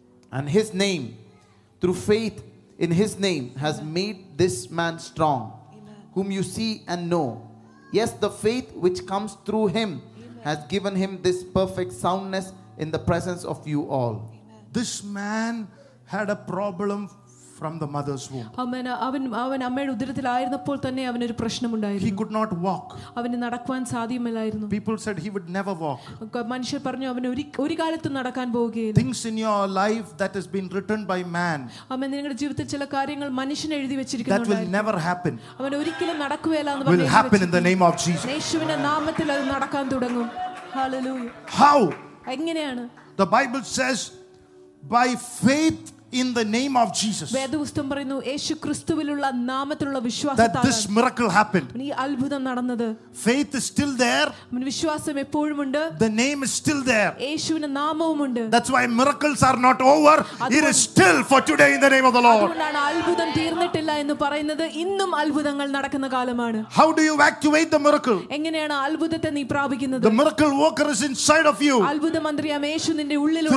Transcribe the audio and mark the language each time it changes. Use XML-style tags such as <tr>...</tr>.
<en>And his name, through faith in his name, has made this man strong, whom you see and know. Yes, the faith which comes through him has given him this perfect soundness in the presence of you all." This man had a problem from the mother's womb.</en> <ml>അവന് അവൻ അമ്മയുടെ ഉദരത്തിൽ ആയിരുന്നപ്പോൾ തന്നെ അവന് ഒരു പ്രശ്നമുണ്ടായിരുന്നു.</ml> <en>He could not walk.</en> <ml>അവന് നടക്കാൻ സാധ്യമല്ലായിരുന്നു.</ml> <en>People said he would never walk.</en> <ml>മനുഷ്യർ പറഞ്ഞു അവൻ ഒരു കാലത്തും നടക്കാൻ പോവുകയില്ല.</ml> <en>Things in your life that has been written by man.</en> <ml>അവൻ നിങ്ങളുടെ ജീവിതത്തിൽ ചില കാര്യങ്ങൾ മനുഷ്യൻ എഴുതി വെച്ചിരിക്കുന്നുണ്ട്.</ml> <en>That will never happen.</en> <ml>അവൻ ഒരിക്കലും നടക്കുകയില്ല എന്ന് പറഞ്ഞു.</ml> <en>Will happen in the name of Jesus.</en> <ml>യേശുവിന്റെ നാമത്തിൽ അത് നടക്കാൻ തുടങ്ങും.</ml> <en>Hallelujah. How?</en> <ml>എങ്ങനെയാണ്?</ml> <en>The Bible says by faith in the name of Jesus.</en> <ml>വേദപുസ്തകം പറയുന്നു യേശു ക്രിസ്തുവിലുള്ള നാമത്തിലുള്ള വിശ്വാസത്താൽ.</ml> <en>That this miracle happened.</en> <ml>ഈ അത്ഭുതം നടന്നത്.</ml> <en>Faith is still there.</en> <ml>വിശ്വാസം എപ്പോഴും ഉണ്ട്.</ml> <en>The name is still there.</en> <ml>യേശുവിന്റെ നാമവും ഉണ്ട്.</ml> <en>That's why miracles are not over. It is still for today in the name of the Lord.</en> <ml>അതുകൊണ്ടാണ് അത്ഭുതം തീർന്നിട്ടില്ല എന്ന് പറയുന്നത്. ഇന്നും അത്ഭുതങ്ങൾ നടക്കുന്ന കാലമാണ്.</ml> <en>How do you activate the miracle?</en> <ml>എങ്ങനെയാണ് അത്ഭുതത്തെ നീ പ്രാപിക്കുന്നത്?</ml> <en>The miracle worker is inside of you.</en> <ml>അത്ഭുതമന്ത്രിയാണ് യേശു നിന്റെ ഉള്ളിലുണ്ട്.</ml>